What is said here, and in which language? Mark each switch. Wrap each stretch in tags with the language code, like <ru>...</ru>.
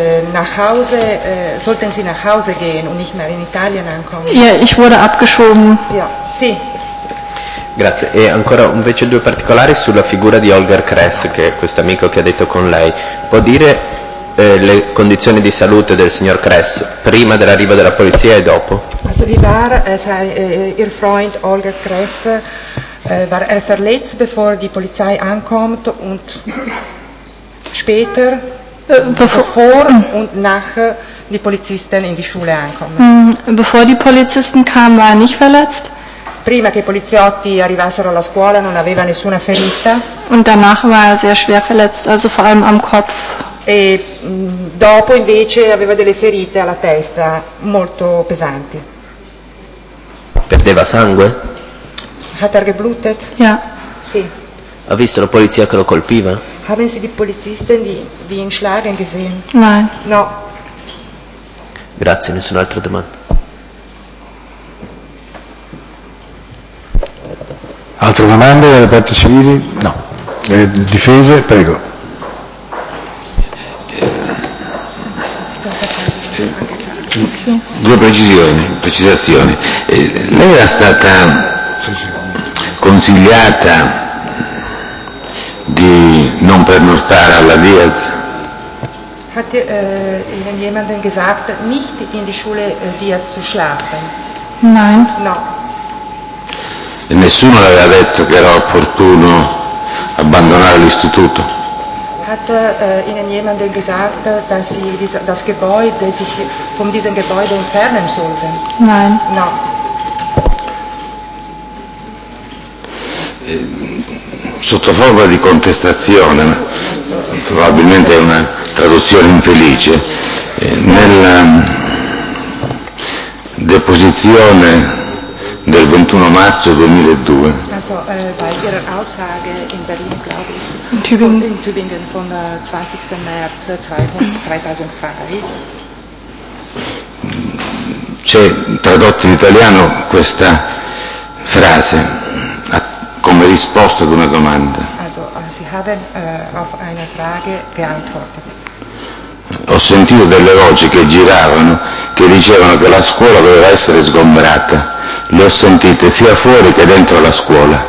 <de>nach Hause, sollten Sie nach Hause gehen und nicht mehr in Italien ankommen? Ja, ich wurde abgeschoben.</de> <it>Ja, sì. Grazie. E ancora invece due particolari sulla figura di Holger Kress, che è questo amico che ha detto con lei. Può dire le condizioni di salute del signor Kress prima dell'arrivo della polizia e dopo?</it> <de>Also wie war Ihr Freund Holger Kress? War verletzt bevor die Polizei ankommt und später? Bevor und nach die Polizisten in die Schule ankommen. Bevor die Polizisten kamen, war er nicht verletzt.</de> <it>Prima che i poliziotti arrivassero alla scuola non aveva nessuna ferita.</it> <de>Und danach war er sehr schwer verletzt, also vor allem am Kopf.</de> <it>E dopo invece aveva delle ferite alla testa molto pesanti. Perdeva sangue?</it> <de>Hat er geblutet? Ja.</de> <it>Sì. Ha visto la polizia che lo colpiva?</it> <de>Haben Sie die Polizisten die ihn schlagen gesehen? Nein.</de> <it>No. Grazie, nessun'altra domanda. Altre domande dalle parti civili? No. Difese, prego. Due precisazioni. Lei era stata consigliata di non pernottare alla Diaz?</it> <de>hat Ihnen jemand gesagt, nicht in die Schule dir zu schlafen? Nein.</de> <it>No. E nessuno le aveva detto che era opportuno abbandonare l'istituto?</it> <de>Hat Ihnen jemand gesagt, dass Sie das Gebäude, sich von diesem Gebäude entfernen sollten? Nein.</de> <it>No. Sotto forma di contestazione, probabilmente è una traduzione infelice, nella deposizione del 21 marzo 2002.</it> <de>Also, in Tübingen vom 20. März 2002.</de> <it>C'è tradotto in italiano questa frase. Come risposta ad una domanda.</it> <de>Also, Sie haben auf eine Frage geantwortet.</de> <it>Ho sentito delle voci che giravano, che dicevano che la scuola doveva essere sgombrata. Le ho sentite sia fuori che dentro la scuola.</it>